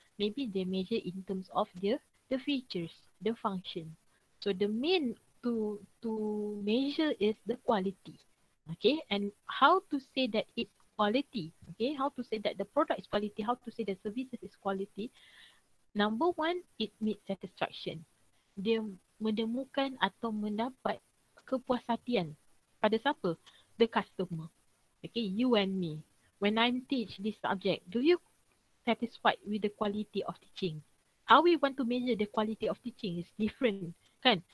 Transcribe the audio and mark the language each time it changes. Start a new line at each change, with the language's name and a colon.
English: Maybe they measure in terms of the features, the function. So the main to measure is the quality. Okay, and how to say that it's quality? Okay, how to say that the product is quality? How to say the services is quality? Number one, it meets satisfaction.
Indonesian: Dia menemukan atau mendapat kepuas hatian pada siapa?
English: The customer. Okay, you and me. When I teach this subject, do you satisfied with the quality of teaching? How we want to measure the quality of teaching is different, kan?